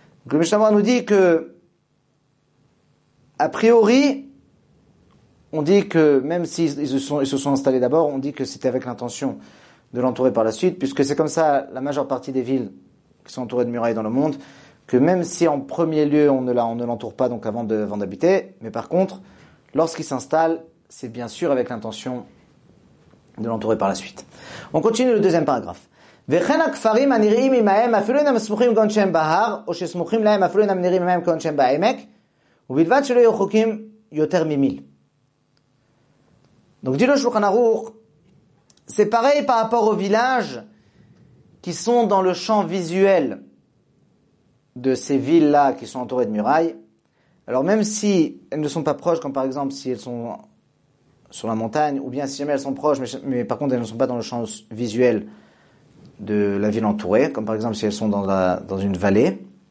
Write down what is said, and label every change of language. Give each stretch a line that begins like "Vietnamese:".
French: Le Mishnah nous dit que, a priori, on dit que même s'ils se sont installés d'abord, on dit que c'était avec l'intention de l'entourer par la suite, puisque c'est comme ça la majeure partie des villes qui sont entourées de murailles dans le monde, que même si en premier lieu on ne l'entoure pas donc avant d'habiter, mais par contre, lorsqu'ils s'installent, c'est bien sûr avec l'intention de l'entourer par la suite. On continue le deuxième paragraphe.
Hebrew: וכן הכפרים הנראים עמהם אפילו אינם סמוכים כאן שהם בהר, או שסמוכים להם אפילו אינם נראים עמהם כאן שהם בעמק, ובלבד שלא יהיו חוקים יותר ממיל.
French: Donc dit le Shulchan Aruch, c'est pareil par rapport aux villages qui sont dans le champ visuel de ces villes-là qui sont entourées de murailles. Alors même si elles ne sont pas proches, comme par exemple si elles sont sur la montagne, ou bien si jamais elles sont proches, mais par contre elles ne sont pas dans le champ visuel de la ville entourée, comme par exemple si elles sont dans une vallée.